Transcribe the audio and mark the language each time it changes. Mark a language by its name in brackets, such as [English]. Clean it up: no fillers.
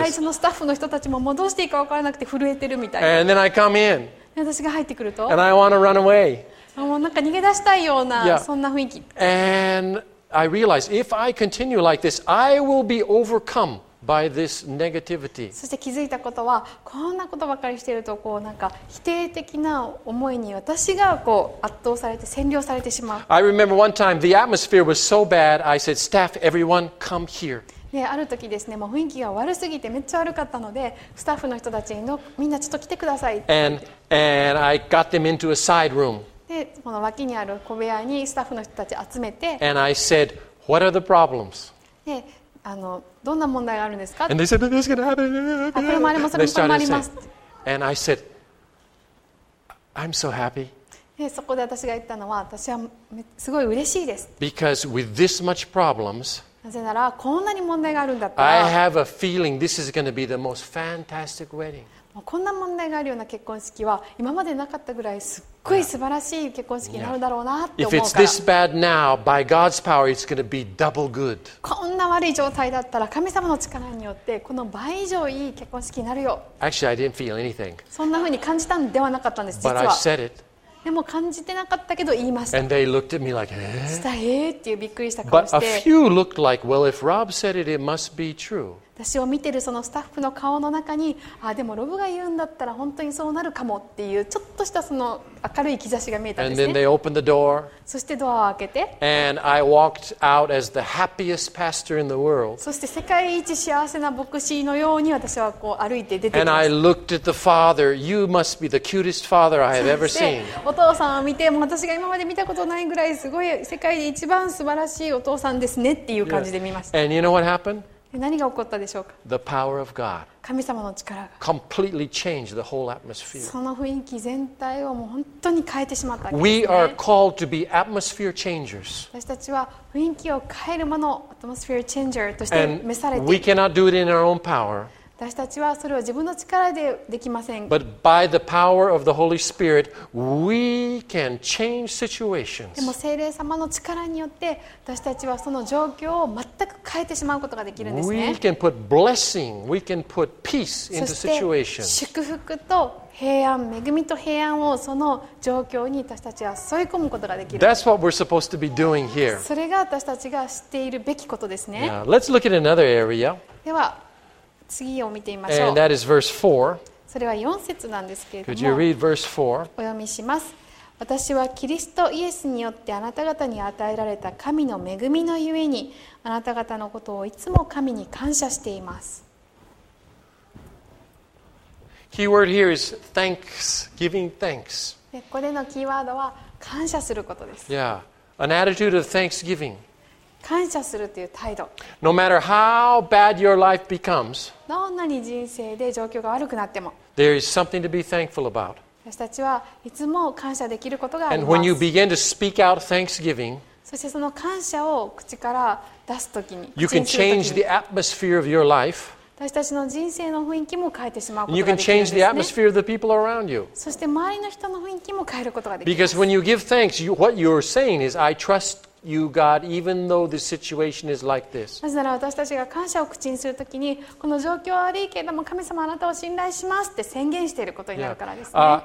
[Japanese] 会社のスタッフの人たちももうどうしていいか分からなくて震えてるみたいな。 [English] And then I come in. [Japanese] 私が入ってくると、 [English] And I want to run away. [Japanese] もうなんか逃げ出したいようなそんな雰囲気。 [English] And I realize if I continue like this, I will be overcome. By this negativity. [Japanese] そして気づいたことは、こんなことばかりしているとこうなんか否定的な思いに私がこう圧倒されて占領されてしまう。 [English] I remember one time the atmosphere was so bad, I said, staff, everyone, come here. [Japanese] である時ですね、もう雰囲気が悪すぎてめっちゃ悪かったので、スタッフの人たちにみんなちょっと来てくださいって言って。 [English] And I got them into a side room. [Japanese] でこの脇にある小部屋にスタッフの人たち集めて。 [English] And I said, what are the problems? [Japanese] どんな問題があるんですか。 [English] And they said, this is gonna happen. [Japanese] これもあります、それもあります。 [English] And I said, I'm so happy. [Japanese] で、そこで私が言ったのは、私はすごい嬉しいです。 [English] Because with this much problems, [Japanese] なぜなら、こんなに問題があるんだったら、 [English] I have a feeling this is gonna be the most fantastic wedding. [Japanese] こんな問題があるような結婚式は、今までなかったぐらいすっごい素晴らしい結婚式になるだろうなって思うから。 [English] If it's this bad now, by God's power, it's gonna be double good. [Japanese] こんな悪い状態だったら、神様の力によって、この倍以上いい結婚式になるよ。 [English] Actually, I didn't feel anything. [Japanese] そんな風に感じたんではなかったんです、実は。 [English] But I said it. [Japanese] でも感じてなかったけど言いました。 [English] And they looked at me like, eh? [Japanese] したえー、っていうびっくりした顔して。 [English] But a few looked like, well, if Rob said it, it must be true. [Japanese] 私を見てるそのスタッフの顔の中に、あ、でもロブが言うんだったら本当にそうなるかもっていうちょっとしたその明るい兆しが見えたんですね。 [English] And then they opened the door. [Japanese] そしてドアを開けて。 [English] And I walked out as the happiest pastor in the world. [Japanese] そして世界一幸せな牧師のように私はこう歩いて出てきます。 [English] And I looked at the father. You must be the cutest father I have ever seen. [Japanese] お父さんを見て、もう私が今まで見たことないぐらいすごい世界で一番素晴らしいお父さんですねっていう感じで見ました。 [English] And you know what happened? [Japanese] 何が起こったでしょうか? [English] The power of God. [Japanese] 神様の力が。 [English] Completely changed the whole atmosphere. [Japanese] その雰囲気全体をもう本当に変えてしまったわけですね。 [English] We are called to be atmosphere changers. [Japanese] 私たちは雰囲気を変えるもの、 [English] atmosphere changer [Japanese] として召されている [English] 。We cannot do it in our own power. [Japanese] 私たちはそれを自分の力でできません。 [English] But by the power of the Holy Spirit, we can change situations. [Japanese] でも聖霊様の力によって私たちはその状況を全く変えてしまうことができるんですね。 [English] We can put blessing, we can put peace into situations. [Japanese] そして祝福と平安、恵みと平安をその状況に私たちは添え込むことができる。 [English] That's what we're supposed to be doing here. [Japanese] それが私たちがしているべきことですね。 [English] Now, let's look at another area. [Japanese] では次を見てみましょう。 [English] And that is verse 4. [Japanese] それは4節なんですけれども。 [English] Could you read verse 4? [Japanese] お読みします。私はキリストイエスによってあなた方に与えられた神の恵みのゆえに、あなた方のことをいつも神に感謝しています。 [English] Key word here is thanks, giving thanks. [Japanese] ここでのキーワードは感謝することです。 [English] Yeah, an attitude of thanksgiving. [Japanese] 感謝するという態度。 [English] No matter how bad your life becomes, [Japanese] どんなに人生で状況が悪くなっても、 [English] there is something to be thankful about. [Japanese] 私たちはいつも感謝できることがあります。 [English] And when you begin to speak out thanksgiving, [Japanese] そしてその感謝を口から出すときに、 [English] you can change the atmosphere of your life. [Japanese] 私たちの人生の雰囲気も変えてしまうことができるんですね。 [English] You can change the atmosphere of the people around you. [Japanese] そして周りの人の雰囲気も変えることができる。 [English] Because when you give thanks, what you're saying is, I trust you, God, even though the situation is like this. [Japanese] なぜなら私たちが感謝を口にするときに、この状況は悪いけれども、神様あなたを信頼しますって宣言していることになるからですね。